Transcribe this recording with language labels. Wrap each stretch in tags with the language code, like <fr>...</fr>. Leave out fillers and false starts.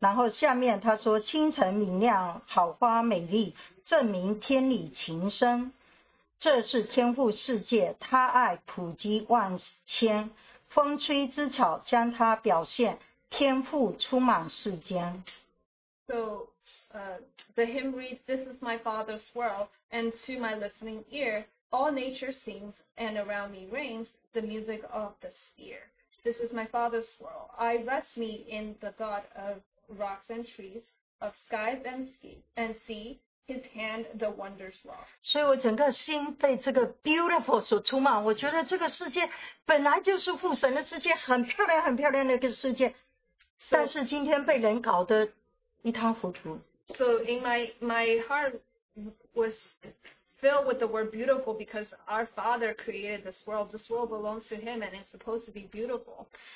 <zh>然后下面他说清晨明亮好花美丽证明天理情深这是天父世界他爱普及万千风吹之草将它表现天父充满世间</zh> <en>So the hymn reads This is my father's world and to my listening ear All nature sings and around me rings the music of the sphere This is my father's world I rest me in the God ofrocks and trees, of skies and sea, his hand the wonders wrought.</en> <zh>所以我整个心被这个 beautiful 所充满，我觉得这个世界本来就是父神的世界，很漂亮很漂亮的一个世界，但是今天被人搞得一塌糊涂。</zh> <en>So in my heart was filled with the word beautiful because our Father created this world. This world belongs to Him and it's supposed to be beautiful.</en>